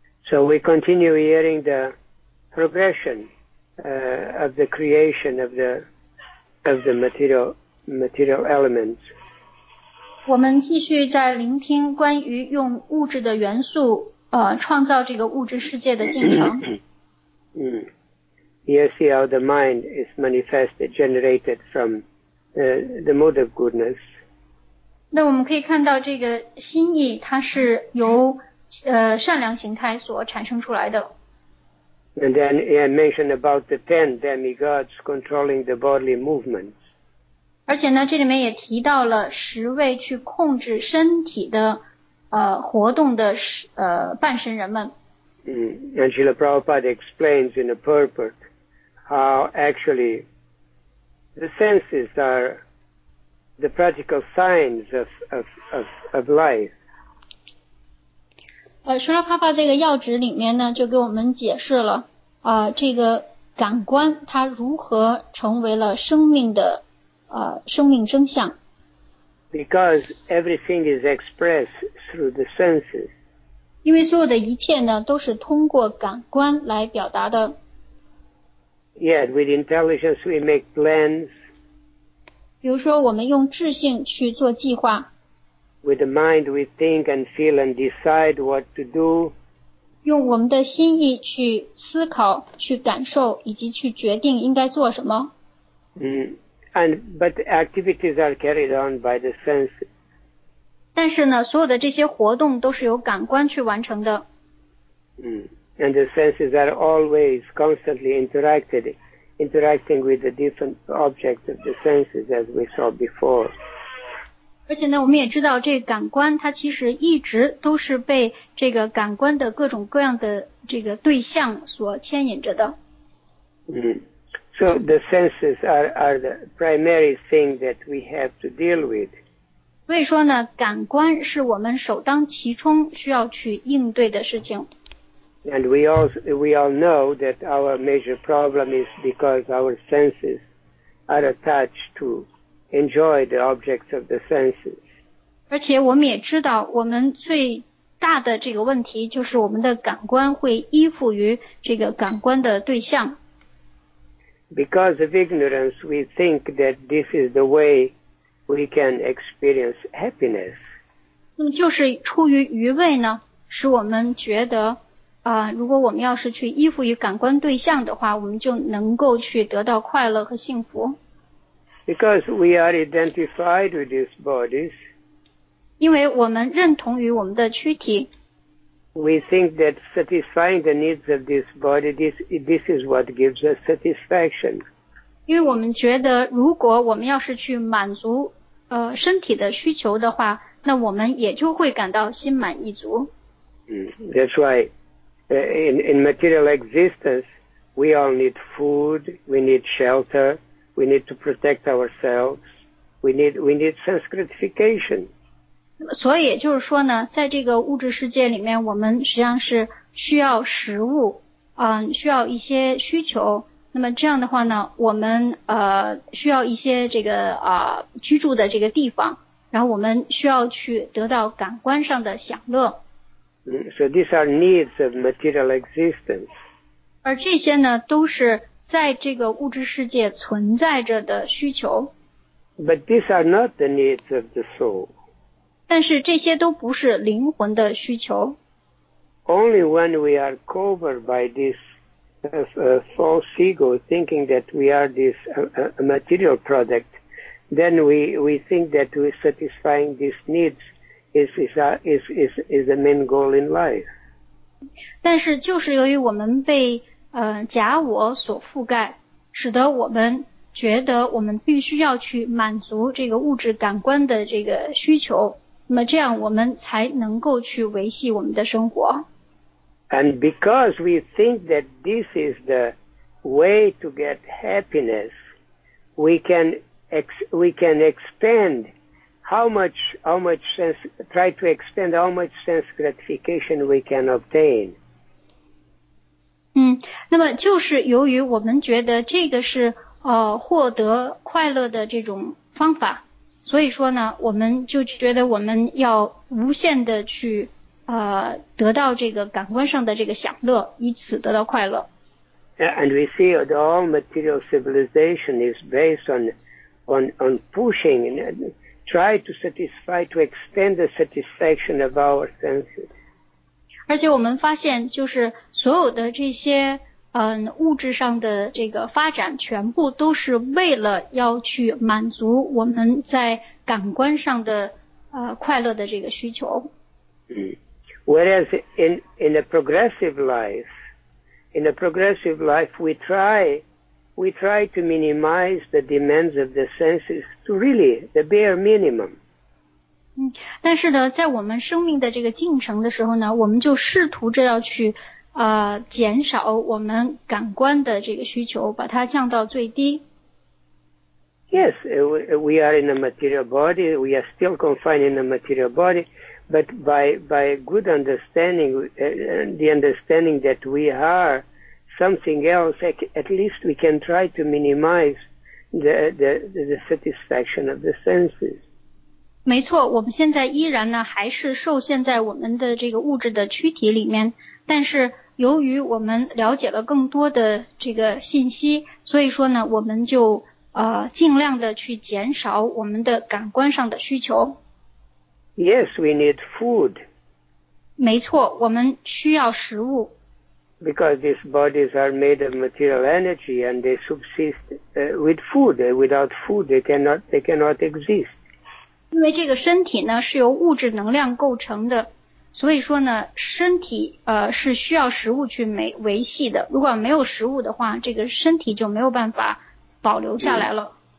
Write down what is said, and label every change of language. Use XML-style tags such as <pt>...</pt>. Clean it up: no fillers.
<en>So we continue hearing the progression of the creation of the material elements.</en> <zh>我们继续在聆听关于用物质的元素创造这个物质世界的进程。</zh> <en>You see how the mind is manifested, generated from the mode of goodness.</en> <zh>那我们可以看到这个心意它是由善良形态所产生出来的。</zh> <en>And then I mentioned about the 10 demigods controlling the bodily movements.</en> <zh>而且呢这里面也提到了十位去控制身体的活动的半神人们。</zh> <en>And Srila Prabhupada explains in a purport how actually the senses are the practical signs of life.</en> <zh>舒拉帕帕这个要旨里面呢就给我们解释了这个感官它如何成为了生命的生命真相。</zh> <en>Because everything is expressed through the senses.</en> <zh>因为所有的一切呢，都是通过感官来表达的。</zh> <en>Yet with intelligence we make plans.</en> <zh>比如说我们用智性去做计划。</zh> <en>With the mind we think and feel and decide what to do.</en> <zh>用我们的心意去思考、去感受以及去决定应该做什么。</zh> <en>But the activities are carried on by the senses.</en> <zh>但是呢，所有的这些活动都是由感官去完成的。</zh> <en>And the senses are always constantly interacting with the different objects of the senses as we saw before.</en> <zh>而且呢，我们也知道这个感官它其实一直都是被这个感官的各种各样的这个对象所牵引着的。</zh> <en>So the senses are the primary thing that we have to deal with.</en> <zh>所以说呢，感官是我们首当其冲需要去应对的事情。</zh> <en>And we all know that our major problem is because our senses are attached to enjoy the objects of the senses.</en> <zh>而且我们也知道，我们最大的这个问题就是我们的感官会依附于这个感官的对象。</zh> <en>Because of ignorance, we think that this is the way we can experience happiness.</en> <zh>那么就是出于愚昧呢，使我们觉得，如果我们要是去依附于感官对象的话，我们就能够去得到快乐和幸福。</zh> <en>Because we are identified with these bodies.</en> <zh>因为我们认同于我们的躯体。</zh> <en>We think that satisfying the needs of this body, this is what gives us satisfaction.</en> <zh>因为我们觉得如果我们要是去满足身体的需求的话，那我们也就会感到心满意足。</zh> <en>That's why in material existence, we all need food, we need shelter, we need to protect ourselves, we need sense gratification.</en> <zh>所以也就是说呢，在这个物质世界里面，我们实际上是需要食物，需要一些需求。那么这样的话呢，我们需要一些这个居住的这个地方，然后我们需要去得到感官上的享乐。</zh> <en>So these are needs of material existence.</en> <zh>而这些呢，都是在这个物质世界存在着的需求。</zh> <en>But these are not the needs of the soul.</en> <zh>但是这些都不是灵魂的需求。</zh> <en>Only when we are covered by this false ego, thinking that we are this material product, then we think that we satisfying these needs is the main goal in life.</en> <zh>但是就是由于我们被假我所覆盖，使得我们觉得我们必须要去满足这个物质感官的这个需求。那么这样我们才能够去维系我们的生活。</zh> <en>And because we think that this is the way to get happiness, we can expand how much sense, try to expand how much sense gratification we can obtain.</en> <zh>那么就是由于我们觉得这个是获得快乐的这种方法。所以说呢，我们就觉得我们要无限的去得到这个感官上的这个享乐，以此得到快乐。</zh> <en>And we see that all material civilization is based on pushing and try to satisfy, to extend the satisfaction of our senses.</en> <zh>而且我们发现，就是所有的这些物质上的这个发展全部都是为了要去满足我们在感官上的快乐的这个需求。</zh> <en>Whereas in a progressive life, in a progressive life, we try to minimize the demands of the senses to really the bare minimum.</en> <zh>但是呢，在我们生命的这个进程的时候呢，我们就试图着要去减少我们感官的这个需求，把它降到最低。</zh> <en>Yes, we are in a material body. We are still confined in a material body, but by good understanding, the understanding that we are something else, at least we can try to minimize the satisfaction of the senses.</en> <zh>没错，我们现在依然呢还是受限在我们的这个物质的躯体里面，但是由于我们了解了更多的这个信息，所以说呢我们就尽量的去减少我们的感官上的需求。</zh> <en>Yes, we need food.</en> <zh>没错，我们需要食物。</zh> <en>Because these bodies are made of material energy and they subsist with food. Without food, they cannot exist.</en> <zh>因为这个身体呢是由物质能量构成的，所以说呢身体是需要食物去维系的。如果没有食物的话，这个身体就没有办法保留下来了。</zh>